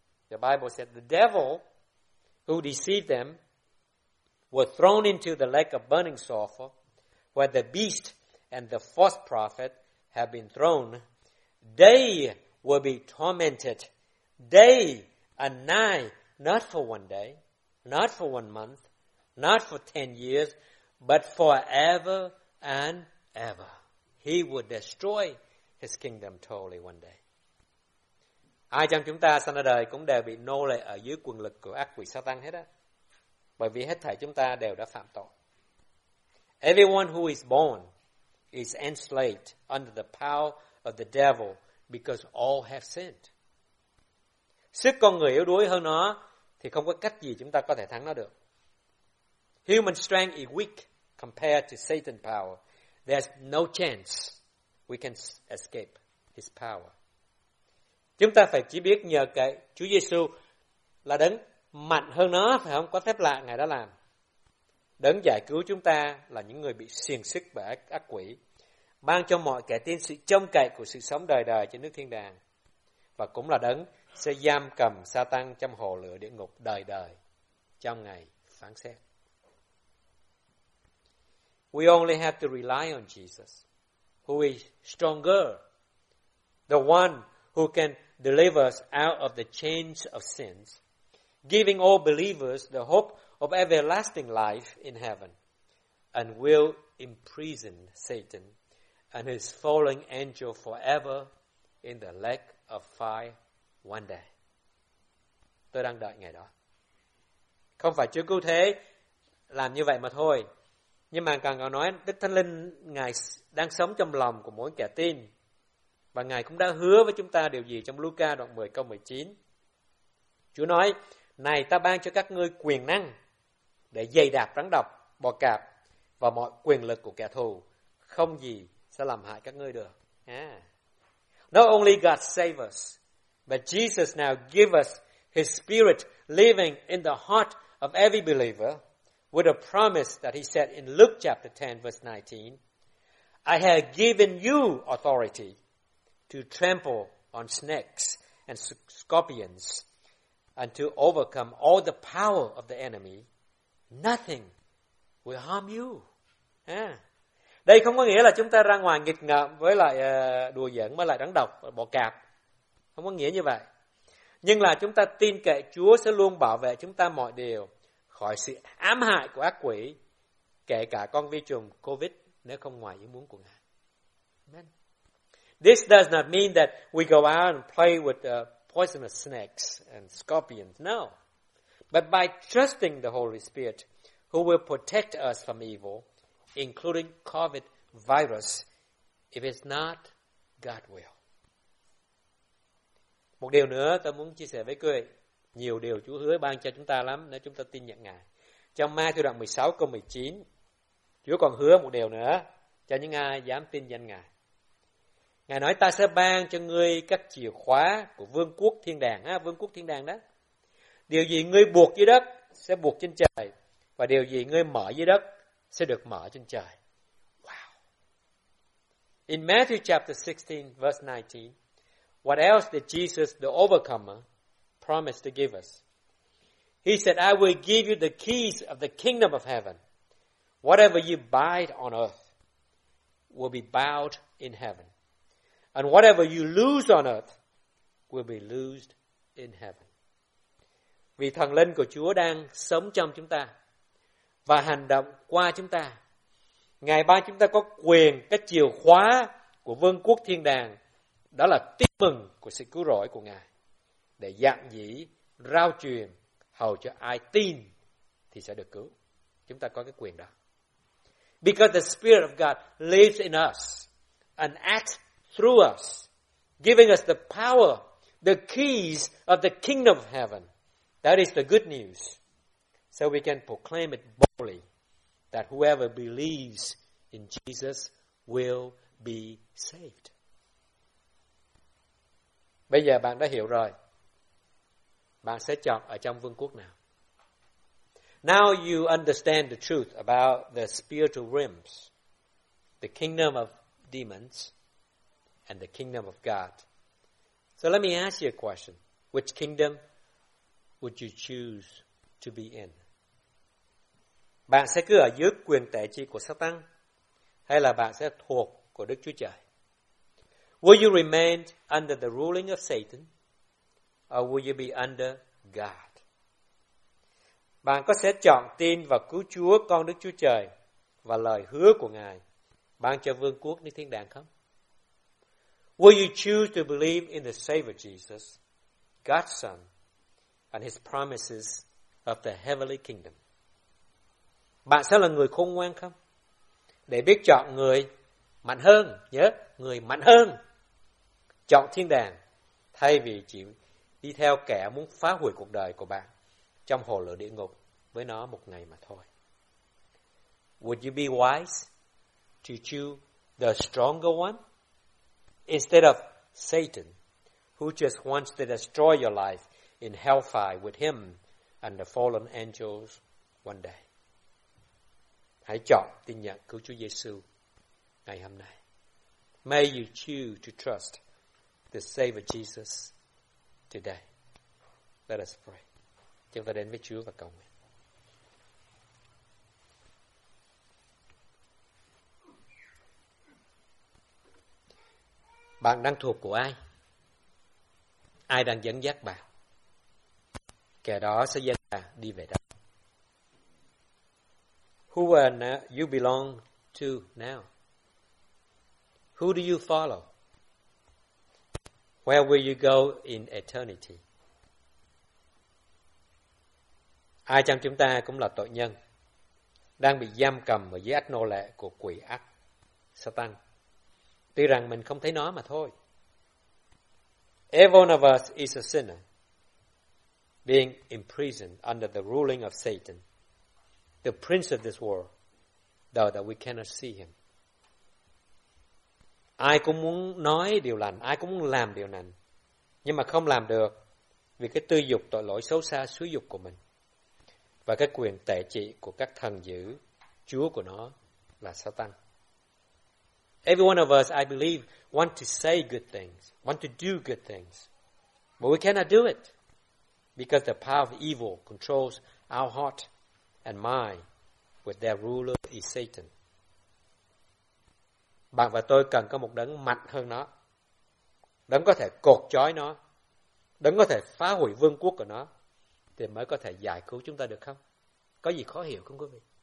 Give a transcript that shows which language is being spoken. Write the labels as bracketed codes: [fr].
[en] The Bible said, the devil who deceived them were thrown into the lake of burning sulfur, where the beast and the false prophet have been thrown. They will be tormented day and night, not for one day, not for 1 month, not for 10 years, but forever and ever. He will destroy his kingdom totally one day. [vi] Ai trong chúng ta sanh ra đời cũng đều bị nô lệ ở dưới quyền lực của ác quỷ Satan hết á, bởi vì hết thảy chúng ta đều đã phạm tội. [en] Everyone who is born is enslaved under the power of the devil because all have sinned. [vi] Sức con người yếu đuối hơn nó thì không có cách gì chúng ta có thể thắng nó được. [en] Human strength is weak compared to Satan's power. There's no chance we can escape his power. [vi] Chúng ta phải chỉ biết nhờ cậy Chúa Giêsu là đấng mạnh hơn nó, phải không? Có phép lạ Ngài đã làm. Đấng giải cứu chúng ta là những người bị xiềng xích bởi ác quỷ, ban cho mọi kẻ tin sự trông cậy của sự sống đời đời trên nước thiên đàng, và cũng là đấng sẽ giam cầm Satan trong hồ lửa địa ngục đời đời trong ngày phán xét. [en] We only have to rely on Jesus, who is stronger, the one who can deliver us out of the chains of sins, giving all believers the hope of everlasting life in heaven, and will imprison Satan and his fallen angel forever in the lake of fire one day. [vi] Tôi đang đợi ngày đó. Không phải Chúa cứu thế làm như vậy mà thôi. Nhưng mà càng có nói, Đức Thánh Linh Ngài đang sống trong lòng của mỗi kẻ tin. Và Ngài cũng đã hứa với chúng ta điều gì trong Luca đoạn 10 câu 19. Chúa nói, này ta ban cho các ngươi quyền năng để dày đạp rắn độc, bò cạp và mọi quyền lực của kẻ thù. Không gì sẽ làm hại các ngươi được. [en] Not only God save us, but Jesus now give us his spirit living in the heart of every believer with a promise that he said in Luke chapter 10 verse 19. I have given you authority to trample on snakes and scorpions and to overcome all the power of the enemy. Nothing will harm you. [vi] Đây không có nghĩa là chúng ta ra ngoài nghịch ngợm với lại đùa giỡn với lại rắn độc, bọ cạp. Không có nghĩa như vậy. Nhưng là chúng ta tin cậy Chúa sẽ luôn bảo vệ chúng ta mọi điều khỏi sự ám hại của ác quỷ, kể cả con vi trùng COVID nếu không ngoài ý muốn của Ngài. Amen. [en] This does not mean that we go out and play with poisonous snakes and scorpions. No. But by trusting the Holy Spirit who will protect us from evil, including COVID virus, if it's not God's will. [vi] Một điều nữa tôi muốn chia sẻ với quý vị. Nhiều điều Chúa hứa ban cho chúng ta lắm nếu chúng ta tin nhận Ngài. Trong Ma-thi-ơ đoạn 16 câu 19, Chúa còn hứa một điều nữa cho những ai dám tin danh Ngài. Ngài nói ta sẽ ban cho ngươi các chìa khóa của vương quốc thiên đàng. À, vương quốc thiên đàng đó. Điều gì ngươi buộc dưới đất sẽ buộc trên trời. Và điều gì ngươi mở dưới đất sẽ được mở trên trời. [en] Wow. In Matthew chapter 16 verse 19, what else did Jesus the overcomer promise to give us? He said, I will give you the keys of the kingdom of heaven. Whatever you bind on earth will be bound in heaven. And whatever you lose on earth will be loosed in heaven. [vi] Vì thần linh của Chúa đang sống trong chúng ta và hành động qua chúng ta. Ngài ban chúng ta có quyền, cái chìa khóa của vương quốc thiên đàng, đó là tin mừng của sự cứu rỗi của Ngài, để dạng dĩ, rao truyền, hầu cho ai tin thì sẽ được cứu. Chúng ta có cái quyền đó. [en] Because the Spirit of God lives in us and acts through us, giving us the power, the keys of the kingdom of heaven. That is the good news. So we can proclaim it boldly that whoever believes in Jesus will be saved. [vi] Bây giờ bạn đã hiểu rồi. Bạn sẽ chọn ở trong vương quốc nào? [en] Now you understand the truth about the spiritual realms, the kingdom of demons, and the kingdom of God. So let me ask you a question. Which kingdom would you choose to be in? [vi] Bạn sẽ cứ ở dưới quyền tể trị của Satan, hay là bạn sẽ thuộc của Đức Chúa Trời? [en] Will you remain under the ruling of Satan, or will you be under God? [vi] Bạn có sẽ chọn tin vào cứu Chúa, con Đức Chúa Trời, và lời hứa của Ngài, ban cho vương quốc nơi thiên đàng không? [en] Will you choose to believe in the Savior Jesus, God's Son, and His promises of the heavenly kingdom? [vi] Bạn sẽ là người khôn ngoan không? Để biết chọn người mạnh hơn, nhớ, người mạnh hơn, chọn thiên đàng, thay vì chỉ đi theo kẻ muốn phá hủy cuộc đời của bạn trong hồ lửa địa ngục với nó một ngày mà thôi. [en] Would you be wise to choose the stronger one instead of Satan, who just wants to destroy your life in hellfire with him and the fallen angels one day? [vi] Hãy chọn tin nhận cứu Chúa Giêsu ngày hôm nay. [en] May you choose to trust the Savior Jesus today. Let us pray. [vi] Chúng ta đến với Chúa và cầu nguyện. Bạn đang thuộc của ai? Ai đang dẫn dắt bạn? Kẻ đó sẽ dẫn bạn đi về đâu? [en] Who are now you belong to now? Who do you follow? Where will you go in eternity? [vi] Ai trong chúng ta cũng là tội nhân, đang bị giam cầm ở dưới ách nô lệ của quỷ ác, Satan. Tuy rằng mình không thấy nó mà thôi. [en] Every one of us is a sinner, being imprisoned under the ruling of Satan, the prince of this world, though that we cannot see him. [vi] Ai cũng muốn nói điều lành, ai cũng muốn làm điều lành, nhưng mà không làm được vì cái tư dục tội lỗi xấu xa xúi dục của mình và cái quyền tệ trị của các thần dữ, chúa của nó là Satan. [en] Every one of us, I believe, want to say good things, want to do good things, but we cannot do it because the power of evil controls our heart and mind with their ruler is Satan. [vi] Bạn và tôi cần có một đấng mạnh hơn nó, đấng có thể cột chói nó, đấng có thể phá hủy vương quốc của nó, thì mới có thể giải cứu chúng ta được không? Có gì khó hiểu không quý vị?